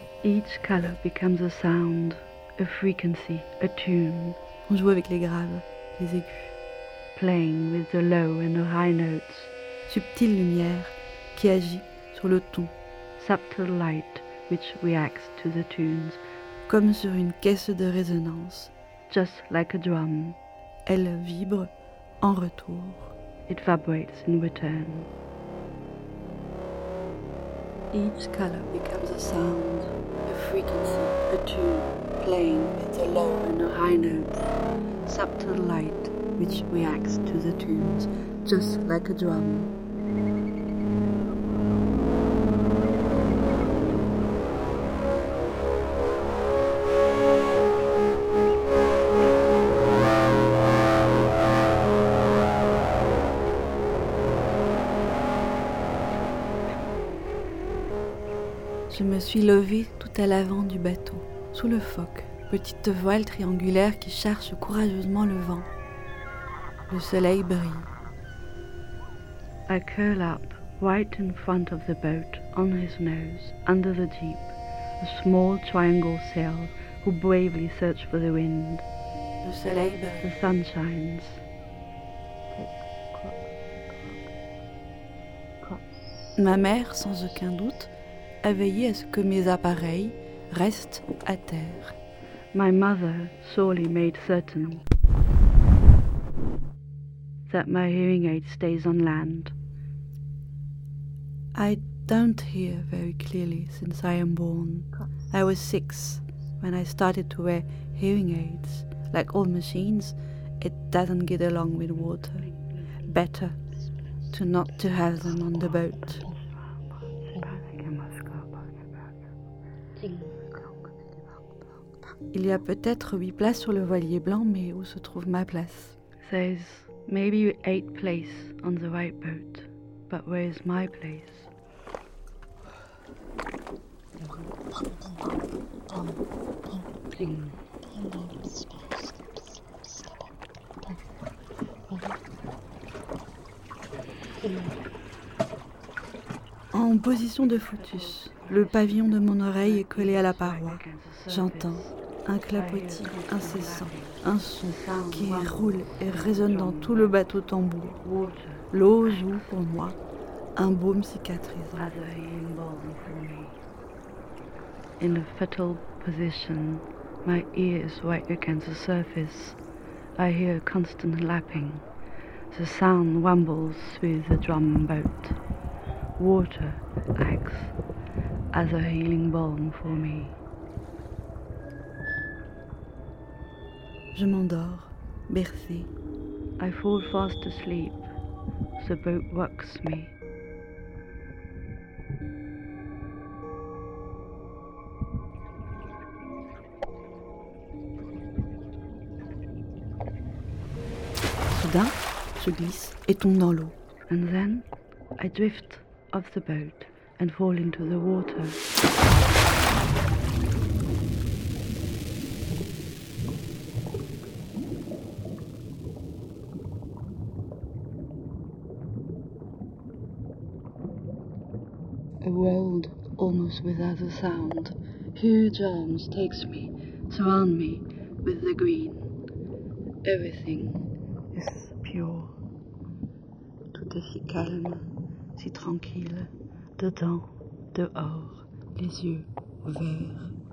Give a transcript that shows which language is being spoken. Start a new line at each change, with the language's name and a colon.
English: Each color becomes a sound, a frequency, a tune.
French: On joue avec les graves, les aigus.
English: Playing with the low and the high notes.
French: Subtile lumière qui agit sur le ton.
English: Subtle light which reacts to the tunes,
French: comme sur une caisse de résonance,
English: just like a drum,
French: elle vibre en retour.
English: It vibrates in return. Each color becomes a sound, a frequency, a tune, playing with the low and the high notes. Subtle light which reacts to the tunes, just like a drum.
French: Je me suis levée tout à l'avant du bateau, sous le foc, petite voile triangulaire qui cherche courageusement le vent. Le soleil brille.
English: I curl up, right in front of the boat, on his nose, under the jeep, a small triangle sail who bravely search for the wind.
French: Le soleil brille.
English: The sun shines.
French: Ma mère, sans aucun doute, a veillé à ce que mes appareils restent à terre.
English: My mother surely made certain that my hearing aid stays on land. I don't hear very clearly since I am born. I was 6 when I started to wear hearing aids. Like all machines, it doesn't get along with water. Better to not to have them on the boat.
French: Il y a peut-être 8 places sur le voilier blanc, mais où se trouve ma place?
English: There's maybe 8 places on the white boat, but where is my place?
French: En position de foetus, le pavillon de mon oreille est collé à la paroi. J'entends un clapotis incessant, un son qui roule et résonne dans tout le bateau tambour. L'eau joue pour moi un baume cicatrisant.
English: In a fetal position, my ear is right against the surface. I hear a constant lapping. The sound rumbles through the drum boat. Water acts as a healing balm for me.
French: Je m'endors, bercée.
English: I fall fast asleep. The boat rocks me.
French: Soudain, je glisse et tombe dans l'eau.
English: And then, I drift off the boat and fall into the water. A world almost without a sound. Huge arms takes me, surround me with the green. Everything is pure.
French: Tout est si calme, si tranquille, dedans, dehors, les yeux ouverts.